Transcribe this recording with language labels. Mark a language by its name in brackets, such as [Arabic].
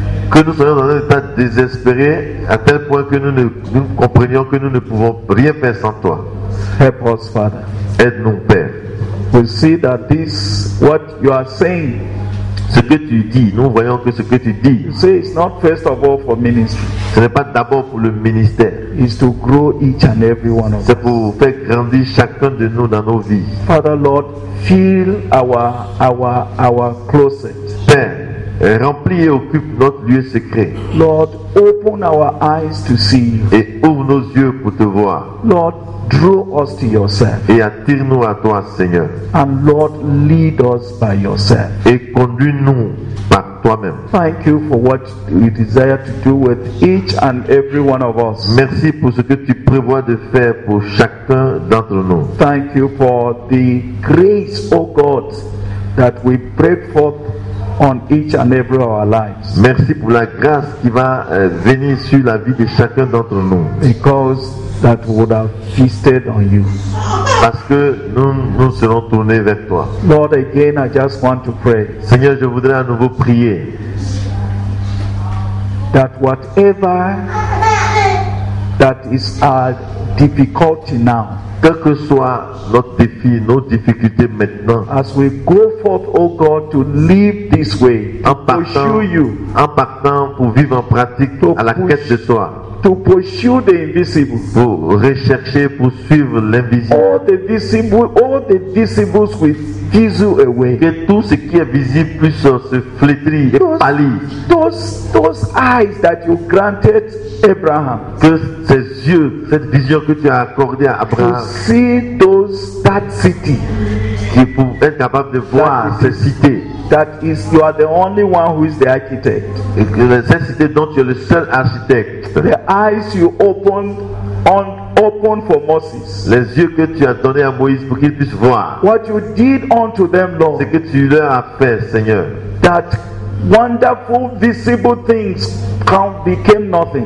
[French] Que nous soyons dans un état désespéré à tel point que nous comprenions que nous ne pouvons rien faire sans toi. [English] Help us, Father. [French] Aide-nous, Père. [English] We see that this what you are saying. [French] Ce que tu dis, nous voyons que ce que tu dis. [English] You say it's not first of all for ministry. [French] Ce n'est pas d'abord pour le ministère. [English] It's to grow each and every one of us. [French] C'est pour faire grandir chacun de nous dans nos vies. [English] Father, Lord, fill our closet. [French] Père, remplis et occupe notre lieu secret. [English] Lord, open our eyes to see you. [French] Et ouvre nos yeux pour te voir. [English] Lord, draw us to yourself. [French] Et attire-nous à toi, Seigneur. [English] And Lord, lead us by yourself. [French] Et conduis-nous par toi-même. [English] Thank you for what you desire to do with each and every one of us. [French] Merci pour ce que tu prévois de faire pour chacun d'entre nous. [English] Thank you for the grace, O God, that we break forth on each and every of our lives. [French] Merci pour la grâce qui va venir sur la vie de chacun d'entre nous. [English] Because that we would have feasted on you. [French] Parce que nous serons tournés vers toi. [English] Lord, again, I just want to pray. [French] Seigneur, je voudrais à nouveau prier. [English] That whatever that is our difficulty now. [French] Quel que soit notre défi, nos difficultés maintenant, [English] as we go forth, O God, to live this way, [French] en partant, [English] pursue you, [French] en partant pour vivre en pratique à la quête de toi, [English] to pursue the invisible, [French] pour rechercher, poursuivre l'invisible, [English] all the visibles will fizzle away, [French] que tout ce qui est visible puisse se flétrir et pâlir. [English] Those eyes that you granted Abraham, [French] que ces yeux, cette vision que tu as accordée à Abraham, [English] to see those that city, [French] qui pour être capable de voir ces cités. [English] That is, you are the only one who is the architect. [French] Cette cité dont tu es le seul architecte. [English] The eyes you opened for Moses. [French] Les yeux que tu as donné à Moïse pour qu'il puisse voir. [English] What you did unto them, Lord. [French] Ce que tu leur as fait, Seigneur. [English] That wonderful visible things became nothing.